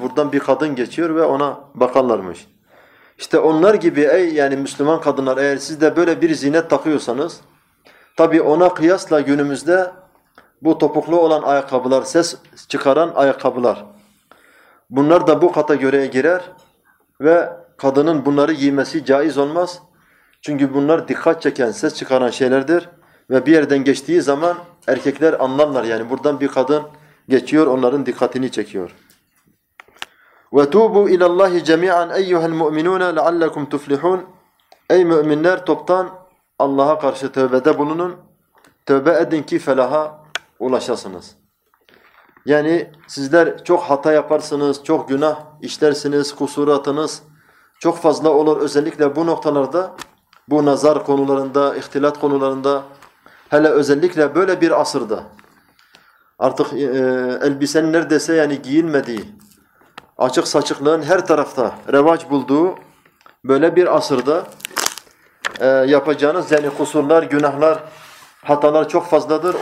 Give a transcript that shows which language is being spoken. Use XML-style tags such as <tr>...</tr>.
<tr>Buradan bir kadın geçiyor ve ona bakarlarmış. İşte onlar gibi ey yani Müslüman kadınlar, eğer siz de böyle bir ziynet takıyorsanız, tabii ona kıyasla günümüzde bu topuklu olan ayakkabılar, ses çıkaran ayakkabılar, bunlar da bu kategoriye girer ve kadının bunları giymesi caiz olmaz. Çünkü bunlar dikkat çeken, ses çıkaran şeylerdir ve bir yerden geçtiği zaman erkekler anlarlar. Yani buradan bir kadın geçiyor, onların dikkatini çekiyor.</tr> <ar>وَتُوبُوا اِلَى اللّٰهِ جَمِيعًا اَيُّهَا الْمُؤْمِنُونَ لَعَلَّكُمْ تُفْلِحُونَ</ar> <tr>Ey müminler, toptan Allah'a karşı tövbede bulunun. Tövbe edin ki felaha ulaşasınız. Yani sizler çok hata yaparsınız, çok günah işlersiniz, kusuratınız çok fazla olur. Özellikle bu noktalarda, bu nazar konularında, ihtilat konularında, hele özellikle böyle bir asırda artık elbisenin neredeyse yani giyilmediği, açık saçıklığın her tarafta revaç bulduğu böyle bir asırda yapacağınız yani kusurlar, günahlar, hatalar çok fazladır.</tr>